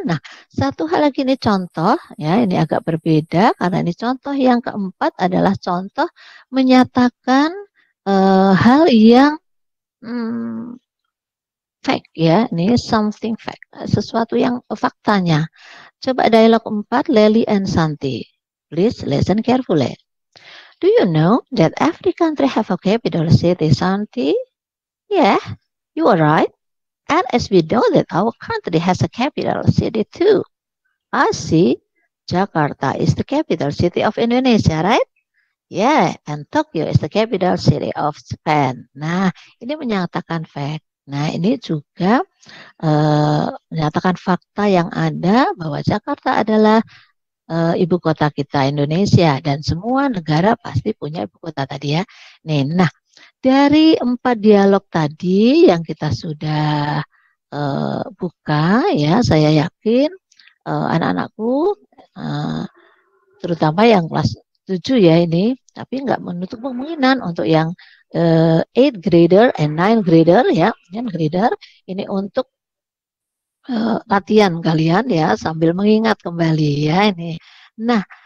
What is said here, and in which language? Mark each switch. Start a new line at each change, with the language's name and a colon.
Indonesian: Nah, satu hal lagi, ini contoh ya, ini agak berbeda karena ini contoh yang keempat adalah contoh menyatakan hal yang fact ya, ini
English: something fact,
Indonesian: sesuatu yang faktanya. Coba dialog 4,
English: Lely and Santi, please listen carefully. Do you know that every country have a capital city, Santi? Yeah, you are right, and as we know that our country has a capital city too. I see, Jakarta is the capital city of Indonesia, right? Yeah, and Tokyo is the capital city of Japan.
Indonesian: Nah, ini menyatakan fact. Nah, ini juga menyatakan fakta yang ada bahwa Jakarta adalah ibu kota kita Indonesia, dan semua negara pasti punya ibu kota tadi ya. Nah, dari empat dialog tadi yang kita sudah buka ya, saya yakin anak-anakku terutama yang kelas 7 ya ini, tapi enggak menutup kemungkinan untuk yang
English: 8th grader and 9th grader
Indonesian: ya, 9th grader ini untuk latihan kalian ya, sambil mengingat kembali ya ini. Nah,